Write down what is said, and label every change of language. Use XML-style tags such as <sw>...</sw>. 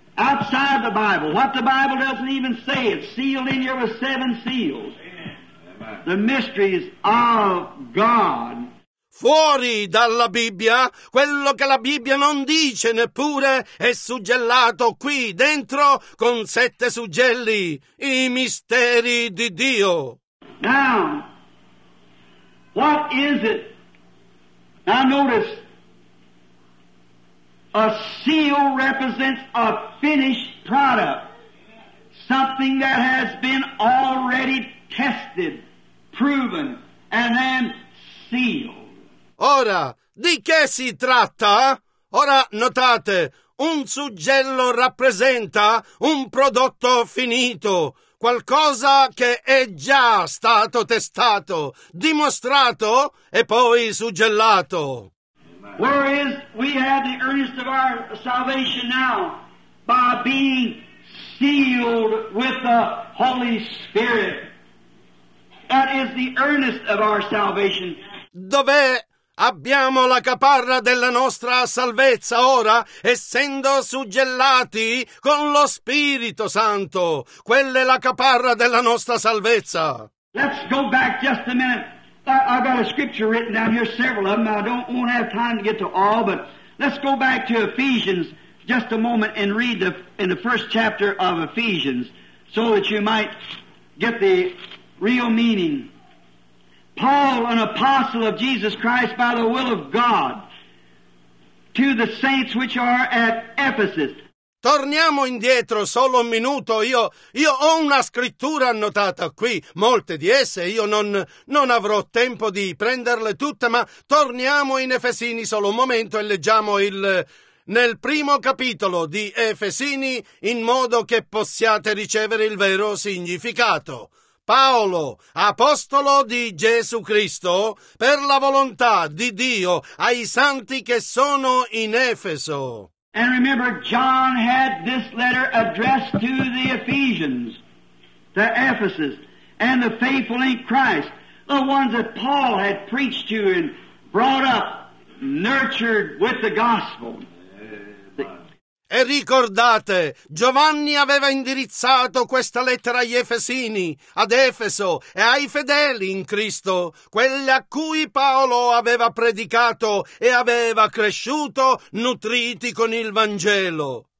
<en>Outside the Bible, what the Bible doesn't even say, it's sealed in here with seven seals. Amen. The mysteries of God.</en> <it>Fuori dalla Bibbia, quello che la Bibbia non dice neppure è suggellato qui dentro con sette suggelli, i misteri di Dio.</it> <en>Now, what is it? Now notice, a seal represents a finished product, something that has been already tested, proven, and then sealed.</en> <it>Ora, di che si tratta? Ora notate, un suggello rappresenta un prodotto finito, qualcosa che è già stato testato, dimostrato e poi suggellato.</it> <en>Where is we have the earnest of our salvation now by being sealed with the Holy Spirit. That is the earnest of our salvation.</en> <it>Dov'è abbiamo la caparra della nostra salvezza ora, essendo suggellati con lo Spirito Santo? Quella è la caparra della nostra salvezza.</it> <en>Let's go back just a minute. I've got a scripture written down here, several of them. I don't want to have time to get to all, but let's go back to Ephesians just a moment and read in the first chapter of Ephesians so that you might get the real meaning. Paul, an apostle of Jesus Christ by the will of God, to the saints which are at Ephesus.</en> <it>Torniamo indietro solo un minuto, io ho una scrittura annotata qui, molte di esse, io non avrò tempo di prenderle tutte, ma torniamo in Efesini solo un momento e leggiamo nel primo capitolo di Efesini in modo che possiate ricevere il vero significato. Paolo, apostolo di Gesù Cristo, per la volontà di Dio, ai santi che sono in Efeso.</it> <en>And remember, John had this letter addressed to the Ephesians, the Ephesus, and the faithful in Christ, the ones that Paul had preached to and brought up, nurtured with the gospel.</en> <it>E ricordate, Giovanni aveva indirizzato questa lettera agli Efesini, ad Efeso e ai fedeli in Cristo, quelli a cui Paolo aveva predicato e aveva cresciuto, nutriti con il Vangelo.</it>